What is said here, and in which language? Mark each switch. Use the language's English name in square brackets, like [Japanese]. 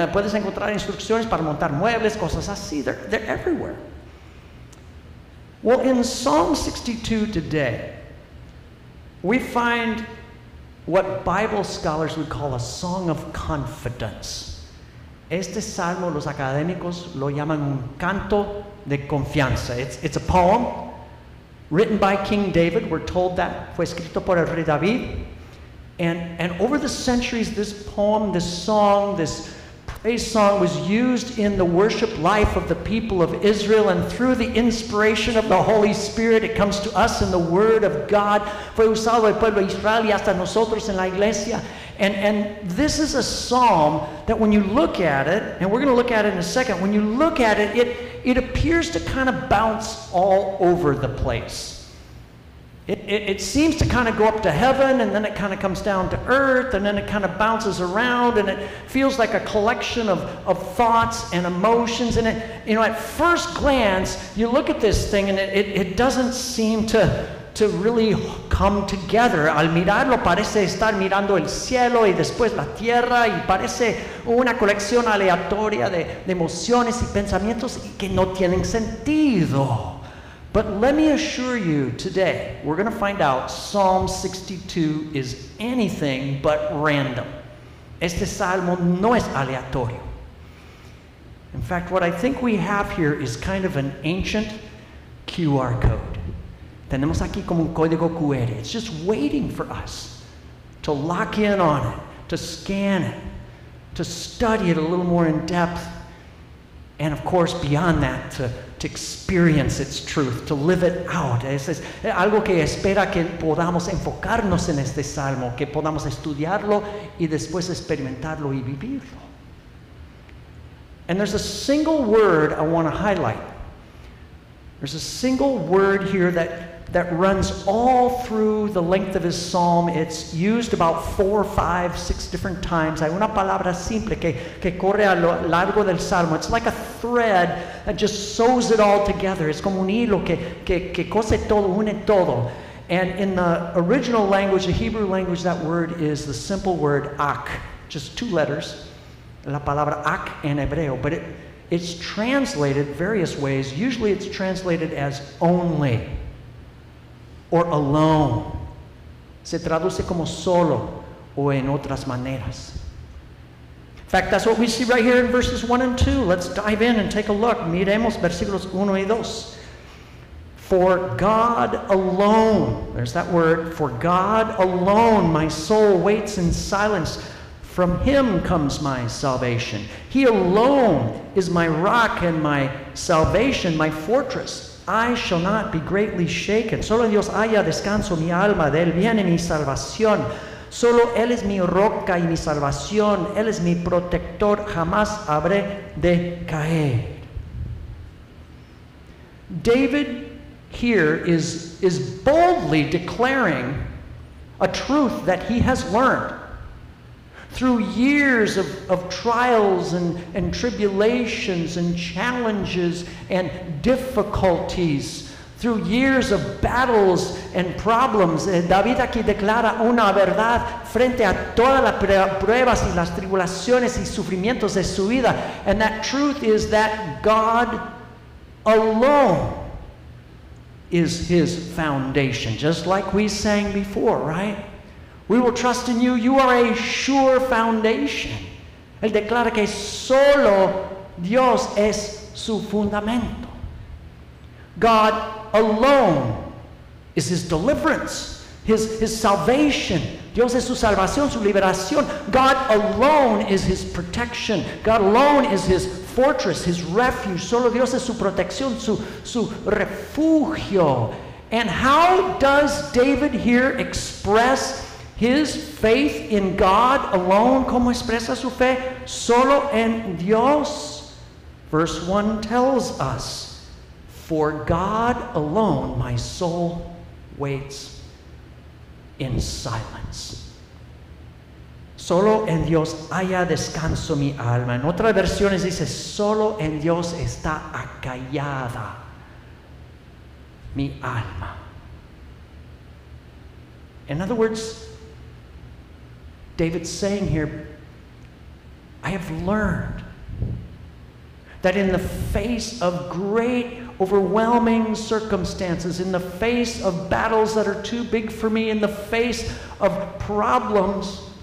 [Spanish] Puedes encontrar instrucciones para montar muebles, cosas así. [English] They're everywhere. Well, in Psalm 62 today, we find what Bible scholars would call a song of confidence. [Spanish] Este salmo, los académicos lo llaman un canto de confianza. [English] It's a poem written by King David. We're told that [Spanish] fue escrito por el rey David. [English] And over the centuries, this poem, this song, this praise song was used in the worship life of the people of Israel. And through the inspiration of the Holy Spirit, it comes to us in the Word of God. [Spanish] Fue usado el pueblo de Israel y hasta nosotros en la iglesia. [English] And this is a psalm that when you look at it, and we're going to look at it in a second, when you look at it, it appears to kind of bounce all over the place. It seems to kind of go up to heaven, and then it kind of comes down to earth, and then it kind of bounces around, and it feels like a collection of thoughts and emotions. And it, you know, at first glance, you look at this thing, and it doesn't seem to really come together. [Spanish] Al mirarlo parece estar mirando el cielo y después la tierra y parece una colección aleatoria de emociones y pensamientos que no tienen sentido. [English] But let me assure you today, we're going to find out Psalm 62 is anything but random. [Spanish] Este salmo no es aleatorio. [English] In fact, what I think we have here is kind of an ancient QR code. [Spanish] Tenemos aquí como un código QR. [English] It's just waiting for us to lock in on it, to scan it, to study it a little more in depth, and of course, beyond that, to experience its truth, to live it out. [Spanish] Es algo que espera que podamos enfocarnos en este salmo, que podamos estudiarlo y después experimentarlo y vivirlo. [English] And there's a single word I want to highlight. There's a single word here that runs all through the length of his psalm. It's used about 4, 5, 6 different times. [Spanish] Hay una palabra simple que corre a lo largo del salmo. [English] It's like a thread that just sews it all together. [Spanish] Es como un hilo que cose todo, une todo. [English] And in the original language, the Hebrew language, that word is the simple word ak, just two letters. [Spanish] La palabra ak en hebreo. [English] But it's translated various ways. Usually it's translated as only. Or alone. [Spanish] Se traduce como solo o en otras maneras. [English] In fact, that's what we see right here in verses 1 and 2. Let's dive in and take a look. [Spanish] Miremos versículos 1 y 2. [English] For God alone, there's that word, for God alone my soul waits in silence. From him comes my salvation. He alone is my rock and my salvation, my fortress. I shall not be greatly shaken. [Spanish] Solo en Dios haya descanso mi alma. De él viene mi salvación. Solo él es mi roca y mi salvación. Él es mi protector. Jamás habré de caer. [English] David here is boldly declaring a truth that he has learned through years of trials and tribulations and challenges and difficulties, through years of battles and problems. [Spanish] David aquí declara una verdad frente a todas las pruebas y las tribulaciones y sufrimientos de su vida. [English] And that truth is that God alone is his foundation, just like we sang before, right? We will trust in you. You are a sure foundation. [Spanish] Él declara que solo Dios es su fundamento. [English] God alone is his deliverance, his salvation. [Spanish] Dios es su salvación, su liberación. [English] God alone is his protection. God alone is his fortress, his refuge. [Spanish] Solo Dios es su protección, su refugio. [English] And how does David here express his faith in God alone? [Spanish] ¿Cómo expresa su fe? Solo en Dios. [English] Verse 1 tells us, "For God alone my soul waits in silence." [Spanish] Solo en Dios haya descanso mi alma. En otras versiones dice, solo en Dios está acallada mi alma. [English] In other words, David's saying here, I have learned that in the face of great overwhelming circumstances, in the face of battles that are too big for me, in the face of problems,